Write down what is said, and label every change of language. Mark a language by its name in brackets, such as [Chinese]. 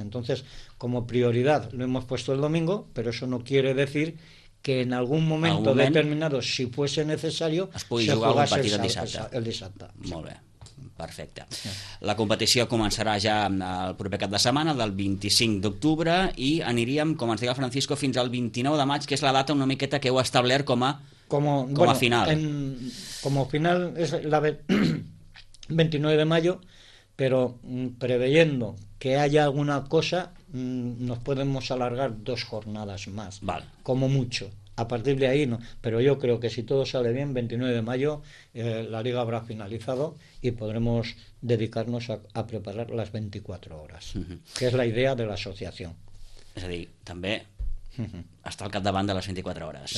[Spanish] Entonces, como prioridad lo hemos puesto el domingo, pero eso no quiere decir que en algún momento determinado, si fuese necesario, [Catalan] es pugui jugar un partit de dissabte. El dissabte. Molt bé. Perfecte. La competició començarà ja el proper cap de setmana, del 25 d'octubre, i aniríem, com ens deia Francisco, fins al 29 de maig, que és la data una miqueta que heu establert com a final. [Spanish] Como final es la 29 de mayo, pero preveyendo que haya alguna cosa, nos podemos alargar dos jornadas más, vale. Como mucho. A partir de ahí no, pero yo creo que si todo sale bien, 29 de mayo la liga habrá finalizado y podremos dedicarnos a preparar las 24 horas, que es la idea de la asociación. [Catalan] És a dir, també estar al capdavant de les 24 hores.